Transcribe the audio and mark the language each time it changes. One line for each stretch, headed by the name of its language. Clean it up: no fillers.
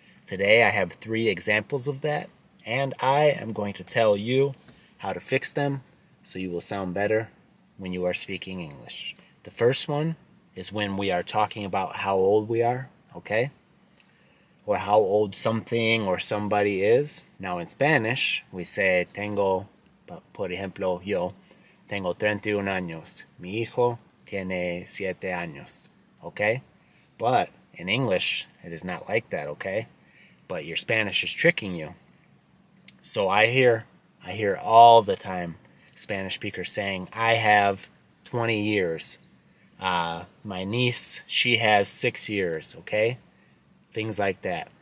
English: Today, I have three examples of that. And I am going to tell you how to fix them so you will sound better when you are speaking English. The first one is when we are talking about how old we are, okay? Or how old something or somebody is. Now in Spanish, we say,
Spanish: tengo, por ejemplo, yo, tengo 31 años. Mi hijo tiene 7 años, okay?
English: But in English, it is not like that, okay? But your Spanish is tricking you. So I hear all the time Spanish speakers saying, I have 20 years. My niece, she has 6 years, okay? Things like that.